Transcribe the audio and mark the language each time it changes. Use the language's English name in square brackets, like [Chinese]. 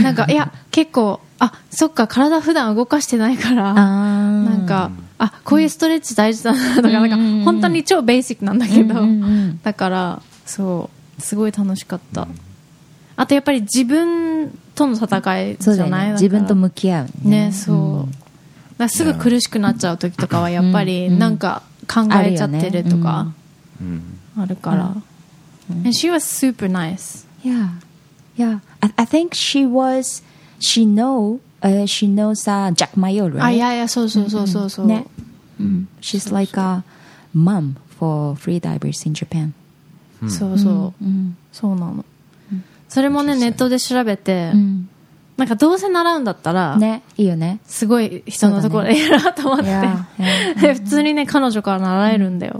[Japanese] なんか、いや、結構、あ、そっか、体普段動かしてないから、なんか、あ、こういうストレッチ大事だなとか、なんか、本当に超ベーシックなんだけど、だから、そう、すごい楽しかった。あとやっぱり自分との戦いじゃない、そうだね、だから自分と向き合う、ねね、そう、だすぐ苦しくなっちゃう時とかはやっぱりなんか考えちゃってるとかあるから、うん、 [English] And she was super nice. Yeah, yeah. I think she was, she know, she knows Jack Mayo, right? Ah, yeah, yeah. [Japanese] そうそうそうそうそう。 [English] ね、She's like a mom for freedivers in Japan. [Japanese] そうそう。そうなの。それもねネットで調べて、なんかどうせ習うんだったら、ね、いいよね、すごい人のところでやろうと思って、ね、普通にね彼女から習えるんだよ、